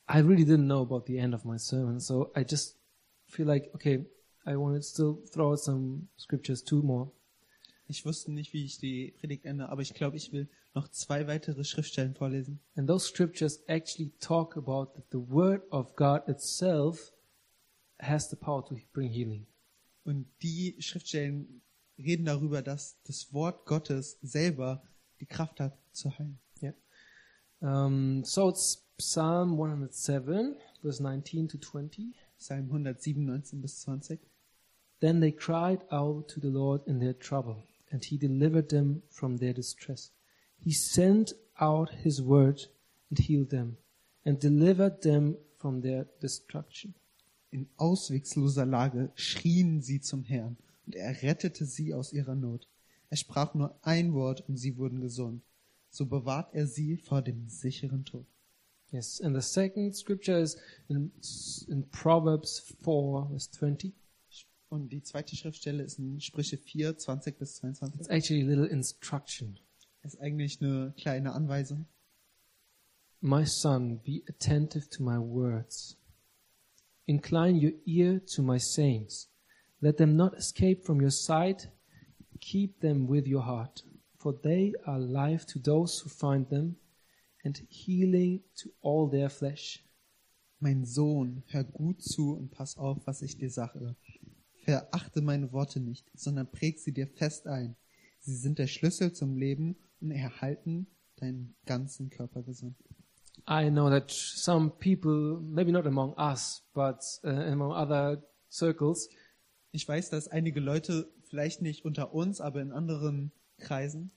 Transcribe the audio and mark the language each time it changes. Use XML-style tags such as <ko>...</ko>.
<en>I really didn't know about the end of my sermon, so I just feel like, okay, I want to still throw out some scriptures, two more.</en> <de>Ich wusste nicht, wie ich die Predigt ende, aber ich glaube, ich will noch zwei weitere Schriftstellen vorlesen.</de> <en>And those scriptures actually talk about that the word of God itself has the power to bring healing.</en> <de>Und die Schriftstellen reden darüber, dass das Wort Gottes selber die Kraft hat zu heilen.</de> <en>Yeah. So it's Psalm 107, verse 19 to 20.</en> <de>Psalm 107, 19 bis 20.</de> <en>Then they cried out to the Lord in their trouble, and he delivered them from their distress. He sent out his word and healed them and delivered them from their destruction.</en> <de>In ausweglosen Lage schrien sie zum Herrn, und er rettete sie aus ihrer Not. Er sprach nur ein Wort, und sie wurden gesund. So bewahrt er sie vor dem sicheren Tod.</de> <en>Yes, and the second scripture is in Proverbs 4, verse 20.</en> <de>Und die zweite Schriftstelle ist in Sprüche 4, 20 bis 22.</de> <en>It's actually a little instruction.</en> <de>Es ist eigentlich eine kleine Anweisung.</de> <en>My son, be attentive to my words. Incline your ear to my sayings. Let them not escape from your sight. Keep them with your heart. For they are life to those who find them and healing to all their flesh.</en> <de>Mein Sohn, hör gut zu und pass auf, was ich dir sage. Verachte meine Worte nicht, sondern präg sie dir fest ein. Sie sind der Schlüssel zum Leben und erhalten deinen ganzen Körper gesund.</de> <en>I know that some people, maybe not among us, but among other circles,</en> <de>ich weiß, dass einige Leute, vielleicht nicht unter uns, aber in anderen Kreisen,</de>